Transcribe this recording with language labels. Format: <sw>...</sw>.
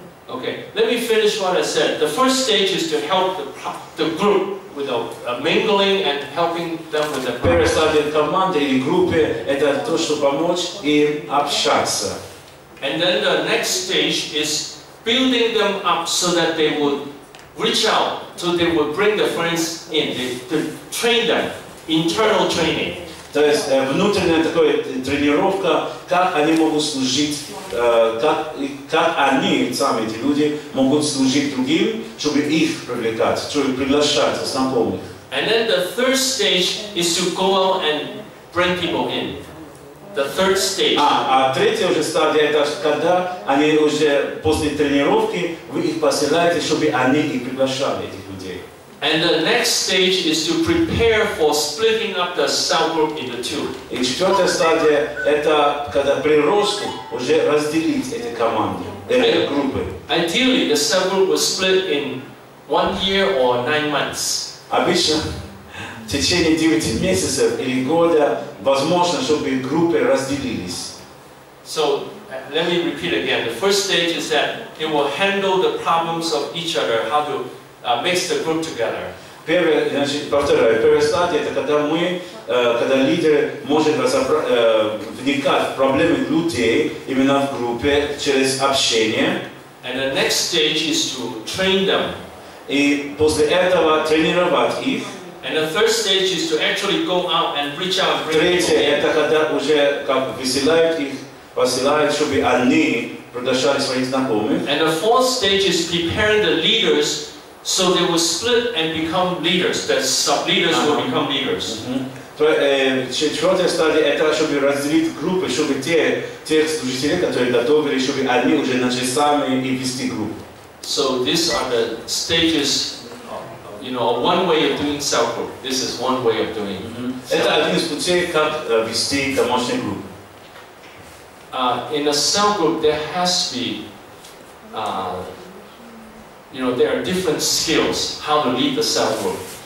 <en>Okay, let me finish what I said. The first stage is to help the group with a mingling and helping them with the.</en> <ru>Первая стадия команды или группы это то, чтобы помочь им общаться.</ru> <en>And then the next stage is building them up so that they would reach out, so they would bring their friends in, to train them, internal training.</en> <ru>То есть внутренняя такая тренировка, как они могут служить, как они сами эти люди могут служить другим, чтобы их привлекать, чтобы приглашать знакомых.</ru> <en>And then the third stage is to go out and bring people in. The third stage.</en> <ru>А третья уже стадия это когда они уже после тренировки вы их посылаете, чтобы они и приглашали этих людей.</ru> <en>And the next stage is to prepare for splitting up the cell group into two.</en> <ru>И четвертая стадия это когда при росте уже разделить эти команды, эти группы.</ru> <en>Ideally, the cell group was split in 1 year or 9 months.</en> <ru>Обычно. В течение 9 месяцев или года возможно, чтобы группы разделились.</ru> <en>So, let me repeat again. The first stage is that they will handle the problems of each other, how to mix the group together.</en> <ru>Первое, значит, повторяю, первая стадия это когда мы, когда лидер может вникать в проблемы людей именно в группе через общение.</ru> <en>And the next stage is to train them.</en> <ru>И после этого тренировать их.</ru> <en>And the third stage is to actually go out and reach out.</en> <ru>Третье это когда уже как высылают их, посылают, чтобы они приглашали своих знакомых.</ru> <en>And the fourth stage is preparing the leaders so they will split and become leaders. The sub-leaders will become leaders.</en> <ru>Четвертая стадия это чтобы разделить группы, чтобы те служители, которые готовили, чтобы они уже начали сами и вести группу.</ru> <en>So these are the stages. You know, one way of doing cell group. This is one way of doing.</en> <ru>Это один из путей как вести домашнюю группу.</ru> <en>In a cell group, there has to be, you know, there are different skills how to lead the cell group.</en>